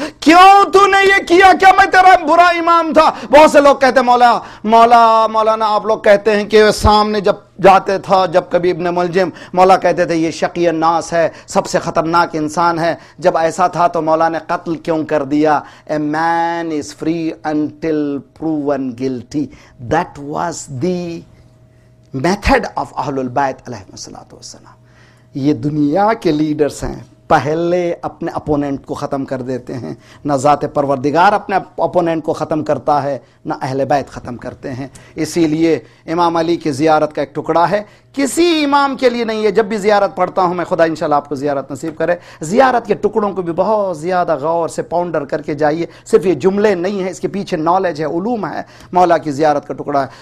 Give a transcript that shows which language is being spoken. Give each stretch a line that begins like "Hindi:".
Urdu: کیوں تو نے یہ کیا؟ کیا میں تیرا برا امام تھا؟ بہت سے لوگ کہتے ہیں مولا مولا مولانا آپ لوگ کہتے ہیں کہ سامنے جب جاتے تھا، جب کبھی ابن ملجم، مولا کہتے تھے یہ شقی الناس ہے، سب سے خطرناک انسان ہے، جب ایسا تھا تو مولا نے قتل کیوں کر دیا؟
English: A man is free until proven guilty. That was the method of
Arabic: اہل البیت علیہ الصلوۃ والسلام.
Urdu: یہ دنیا کے لیڈرز ہیں، پہلے اپنے اپوننٹ کو ختم کر دیتے ہیں، نہ ذات پروردگار اپنے اپوننٹ کو ختم کرتا ہے، نہ اہل بیت ختم کرتے ہیں. اسی لیے امام علی کی زیارت کا ایک ٹکڑا ہے، کسی امام کے لیے نہیں ہے. جب بھی زیارت پڑھتا ہوں میں، خدا انشاءاللہ آپ کو زیارت نصیب کرے، زیارت کے ٹکڑوں کو بھی بہت زیادہ غور سے پاؤنڈر کر کے جائیے، صرف یہ جملے نہیں ہیں، اس کے پیچھے نالج ہے، علوم ہے، مولا کی زیارت کا ٹکڑا ہے.